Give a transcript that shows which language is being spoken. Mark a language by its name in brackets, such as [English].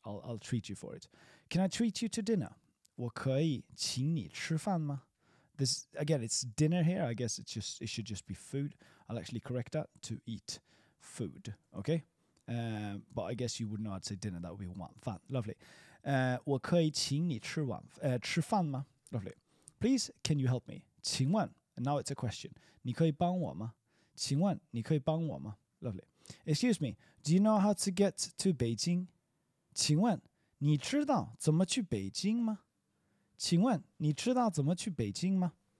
[English] I'll treat you for it. Can I treat you to dinner? [Chinese] 我可以请你吃饭吗? [English] This, again, it's dinner here. I guess it's just, it should just be food. I'll actually correct that, to eat food, okay? But I guess you would not say dinner, that would be [Chinese] 晚饭. [English] Lovely. [Chinese] 我可以请你吃晚吃饭吗? [English] Lovely. Please, can you help me? 请问, and now it's a question. [Chinese] 你可以帮我吗? 请问,你可以帮我吗? [English] Lovely. Excuse me, do you know how to get to Beijing? [Chinese] 请问,你知道怎么去北京吗?请问,你知道怎么去北京吗?